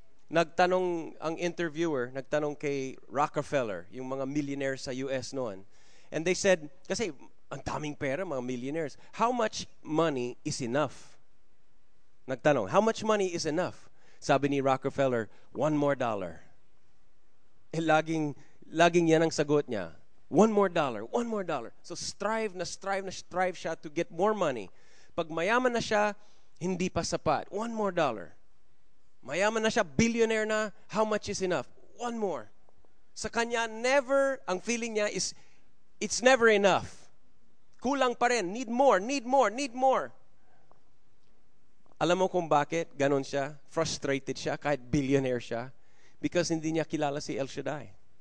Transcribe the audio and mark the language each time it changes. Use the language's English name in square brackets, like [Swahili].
[Filipino] Nagtanong ang interviewer, nagtanong kay Rockefeller, yung mga millionaires sa US noon. [English] And they said, [Filipino] kasi ang daming pera, mga millionaires. [English] How much money is enough? [Filipino] Nagtanong, [English] how much money is enough? [Filipino] Sabi ni Rockefeller, [English] one more dollar. [Filipino] Eh, laging yan ang sagot niya. [English] One more dollar, one more dollar. [Filipino] So strive na strive na strive siya [English] to get more money. [Filipino] Pag mayaman na siya, hindi pa sapat. [English] One more dollar. [Filipino] Mayaman na siya, billionaire na, [English] how much is enough? One more. [Filipino] Sa kanya, never, ang feeling niya is, [English] it's never enough. [Filipino] Kulang pa rin, [English] need more, need more, need more. [Filipino] Alam mo kung bakit ganon siya, frustrated siya, kahit billionaire siya, because hindi niya kilala si El Shaddai.